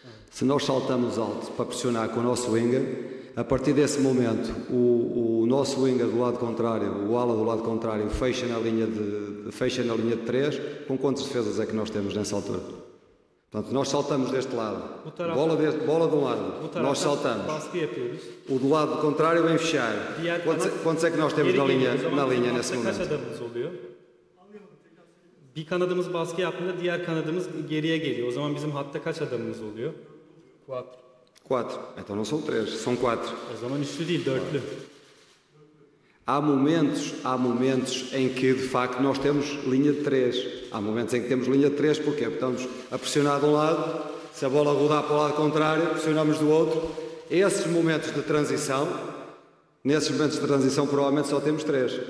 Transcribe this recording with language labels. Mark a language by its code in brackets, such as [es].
[pt] Se nós saltamos alto para pressionar com o nosso winger, a partir desse momento, o nosso winger do lado contrário, o ala do lado contrário, fecha na linha de 3, com quantas defesas é que nós temos nessa altura? Portanto, nós saltamos deste lado. Bola de um lado. Nós saltamos. O do lado contrário vem fechar. Quantos é que nós temos na linha nesse momento? [tr] Bir kanadımız baskı yaptığında diğer kanadımız geriye geliyor. O zaman bizim hatta kaç adamımız oluyor? [pt] 4. Então não são 3, são 4. [tr] O zaman üçlü değil, dörtlü. [pt] Há momentos em que, de facto, nós temos linha de 3. Há momentos em que temos linha de 3, porque estamos a pressionar de um lado, se a bola rodar para o lado contrário, pressionamos do outro. Esses momentos de transição, provavelmente só temos 3.